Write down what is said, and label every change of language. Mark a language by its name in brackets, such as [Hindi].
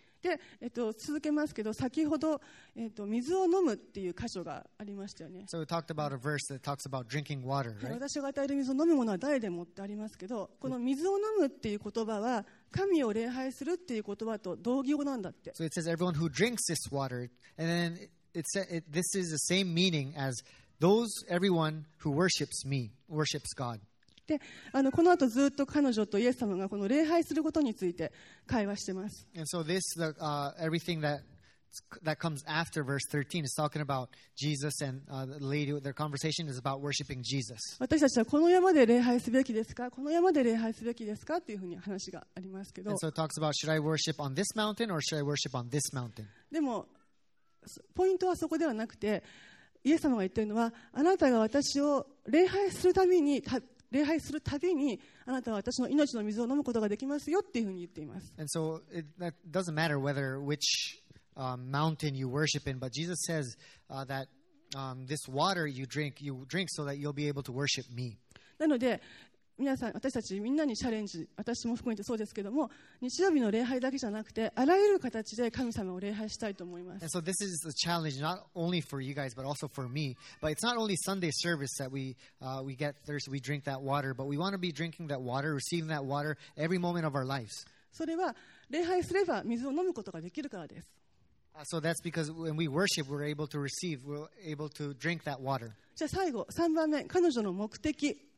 [Japanese] で、続けますけど先ほど水を飲むっていう箇所がありましたよね。 [English] So we talked about a verse that talks about drinking water, right? [Japanese] 私が与える水を飲むものは誰でもってありますけど、この水を飲むっていう言葉は神を礼拝するっていう言葉と同義語なんだって。 [English] So it says everyone who drinks this water, and then it says this is the same meaning as those everyone who worships me, worships God. [Japanese] で、この後ずっと彼女とイエス様がこの礼拝することについて会話してます。 [English] And so this, the, everything that, that comes after verse 13 is talking about Jesus and the lady, their conversation is about worshiping Jesus. [Japanese] 私たちはこの山で礼拝すべきですか？この山で礼拝すべきですか？っていうふうに話がありますけど。 [English] And so it talks about should I worship on this mountain or should I worship on this mountain? [Japanese] でも、ポイントはそこではなくて、イエス様が言ってるのは、あなたが私を礼拝するために、礼拝するたびにあなたは私の命の水を飲むことができますよっていうふうに言っています。 [English] And so it that doesn't matter whether which mountain you worship in, but Jesus says that this water you drink so that you'll be able to worship me. [Japanese] なので皆さん私たちみんなにチャレンジ、私も含めてそうですけども、日曜日の礼拝だけじゃなくてあらゆる形で神様を礼拝したいと思います。 [English] And so this is a challenge not only for you guys but also for me. But it's not only Sunday service that we get thirsty, we drink that water, but we want to be drinking that water, receiving that water every moment of our lives. [Japanese] それは礼拝すれば水を飲むことができるからです。 [English] So that's because when we worship, we're able to receive, we're able to drink that water. [Japanese] じゃあ最後3番目、彼女の目的。